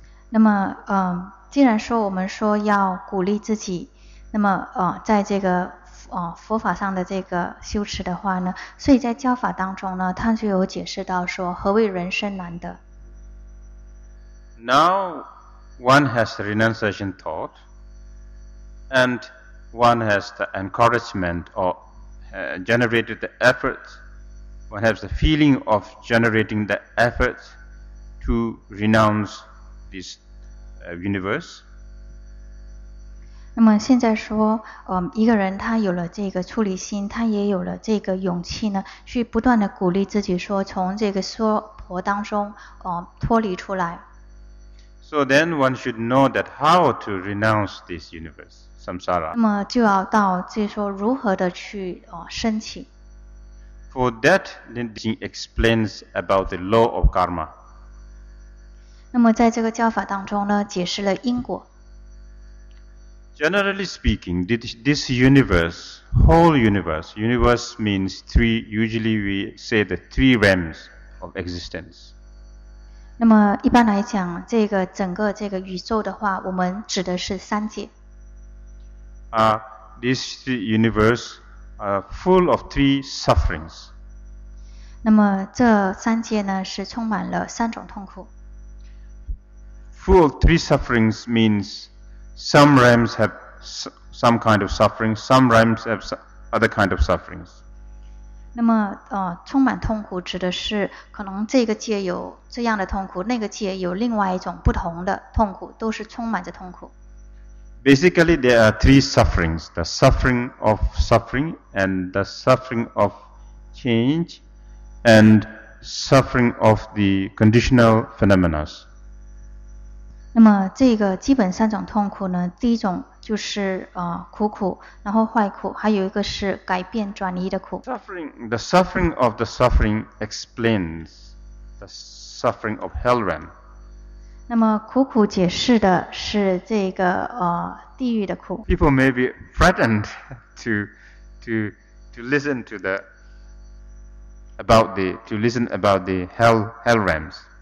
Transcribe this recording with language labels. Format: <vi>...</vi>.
<zh>那么既然说我们说要鼓励自己，那么在这个佛法上的这个修持的话呢，所以在教法当中呢，他就有解释到说何谓人生难得。</zh> <en>Now one has the renunciation thought, and one has the encouragement or generated the efforts, one has the feeling of generating the efforts to renounce this universe.</en> <zh>那么现在说一个人他有了这个出离心，他也有了这个勇气呢，去不断的鼓励自己说从这个娑婆当中脱离出来。</zh> <en>So then one should know that how to renounce this universe, samsara.</en> <zh>那么就要到这说如何的去升起。</zh> <en>For that, then explains about the law of karma.</en> <zh>那么在这个教法当中呢，解释了因果。</zh> <en>Generally speaking, this universe, whole universe, universe means three, usually we say the three realms of existence.</en> <zh>那么一般来讲，这个整个这个宇宙的话，我们指的是三界。</zh> <en>This universe are full of three sufferings.</en> <zh>那么这三界呢，是充满了三种痛苦。</zh> <en>Full of three sufferings means... Some realms have some kind of suffering, some realms have other kind of sufferings.</en> <zh>那么充满痛苦指的是可能这个界有这样的痛苦，那个界有另外一种不同的痛苦，都是充满着痛苦。</zh> <en>Basically, there are three sufferings: the suffering of suffering, and the suffering of change, and suffering of the conditional phenomena.</en> <zh>那么这个基本三种痛苦呢？第一种就是苦苦，然后坏苦，还有一个是改变转移的苦。</zh> <en>Suffering, the suffering of the suffering explains the suffering of hell realm.</en> <zh>那么苦苦解释的是这个地狱的苦。</zh> <en>People may be threatened to listen to the about the hell realms.</en>